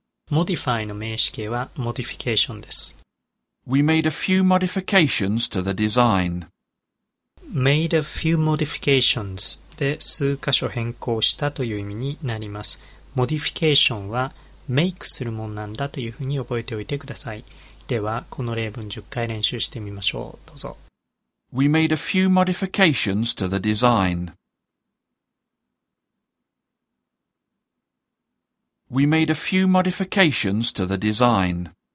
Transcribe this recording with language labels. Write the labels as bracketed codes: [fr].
[ja] Modify の名詞形は modification です。 [en] We made a few modifications to the design. Made a few modifications [ja] で数箇所変更したという意味になります。 Modification は make するものなんだというふうに覚えておいてください。ではこの例文10回練習してみましょう。どうぞ。 [en] We made a few modifications to the design. We made a few modifications to the design.